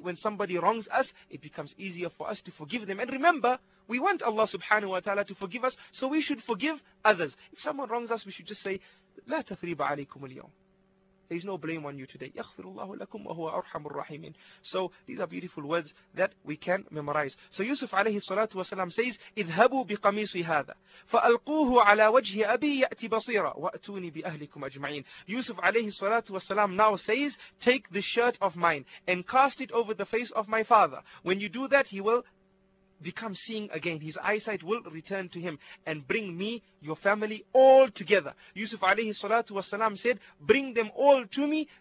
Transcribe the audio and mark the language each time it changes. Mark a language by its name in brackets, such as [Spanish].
[English] When somebody wrongs us, it becomes easier for us to forgive them. And remember, we want Allah subhanahu wa ta'ala to forgive us, so we should forgive others. If someone wrongs us, we should just say, [Arabic] لا تثريب عليكم اليوم. [English] There is no blame on you today. [Arabic] يَغْفِرُ اللَّهُ لَكُمْ وَهُوَ أَرْحَمُ الرَّحِيمِينَ. [English] So these are beautiful words that we can memorize. So Yusuf alayhi salatu wasalam says, [Arabic] اِذْهَبُوا بِقَمِيسِ هَذَا فَأَلْقُوهُ عَلَى وَجْهِ أَبِي يَأْتِ بَصِيرًا وَأْتُونِي بِأَهْلِكُمْ أَجْمَعِينَ. [English] Yusuf alayhi salatu wasalam now says, take the shirt of mine and cast it over the face of my father. When you do that, he will become seeing again. His eyesight will return to him, and bring me, your family, all together. Yusuf alayhi salatu wasalam said, bring them all to me.